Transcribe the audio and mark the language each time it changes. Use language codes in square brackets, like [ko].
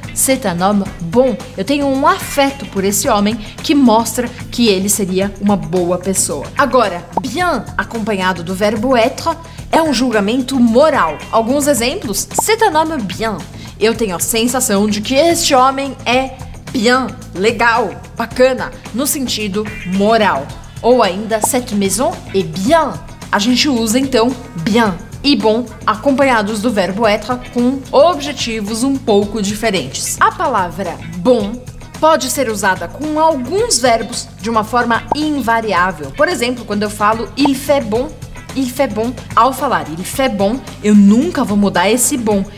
[fr] C'est un homme bon. [pt] Eu tenho um afeto por esse homem que mostra que ele seria uma boa pessoa. Agora, bien, acompanhado do verbo être, é um julgamento moral. Alguns exemplos, [fr] c'est un homme bien. [pt] Eu tenho a sensação de que este homem é bien, legal, bacana, no sentido moral. Ou ainda, [fr] cette maison est bien. [pt] A gente usa então bien e bon acompanhados do verbo être com objetivos um pouco diferentes. A palavra bon pode ser usada com alguns verbos de uma forma invariável. Por exemplo, quando eu falo [fr] il fait bon, il fait bon. [pt] Ao falar [fr] il fait bon, [pt] eu nunca vou mudar esse bon.